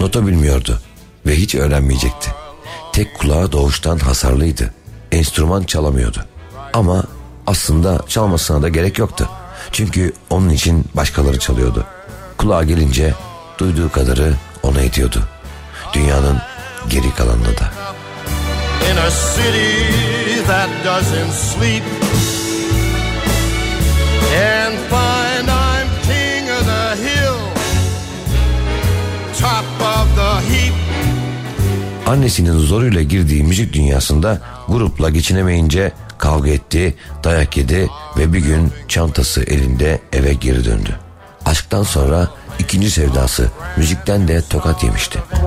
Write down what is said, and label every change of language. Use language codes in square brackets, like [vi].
[tr] Nota bilmiyordu ve hiç öğrenmeyecekti. Tek kulağı doğuştan hasarlıydı. Enstrüman çalamıyordu. Ama aslında çalmasına da gerek yoktu. Çünkü onun için başkaları çalıyordu. Kulağa gelince duyduğu kadarı ona ediyordu. Dünyanın geri kalanını da. [en] In a city that doesn't sleep. And find I'm king of the hill. Top of the heap. [tr] Annesinin zoruyla girdiği müzik dünyasında grupla geçinemeyince kavga etti, dayak yedi ve bir gün çantası elinde eve geri döndü. Aşktan sonra ikinci sevdası müzikten de tokat yemişti.